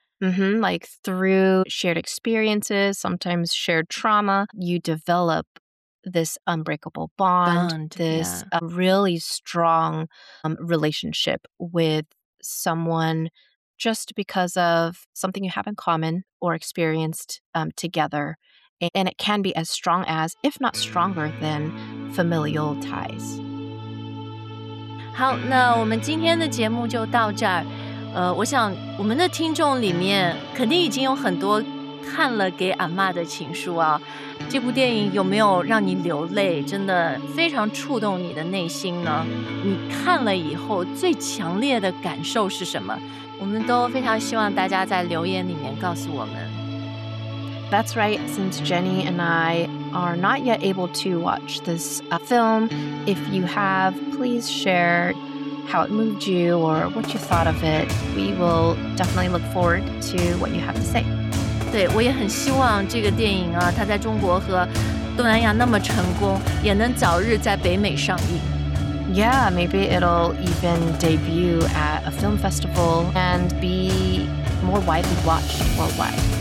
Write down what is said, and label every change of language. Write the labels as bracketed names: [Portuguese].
[English] Mm-hmm, like through shared experiences, sometimes shared trauma, you develop this unbreakable bond, really strong relationship with someone just because of something you have in common or experienced together. And it can be as strong as, if not stronger than, familial ties. [Chinese] 好，那我们今天的节目就到这儿。我想我们的听众里面肯定已经有很多看了《给阿嬷的情书》啊，这部电影有没有让你流泪？真的非常触动你的内心呢？你看了以后最强烈的感受是什么？我们都非常希望大家在留言里面告诉我们。 [English] That's right, since Jenny and I are not yet able to watch this film, if you have, please share how it moved you or what you thought of it. We will definitely look forward to what you have to say. [Chinese] 对，我也很希望这个电影啊，它在中国和东南亚那么成功，也能早日在北美上映。 [English] Yeah, maybe it'll even debut at a film festival and be more widely watched worldwide.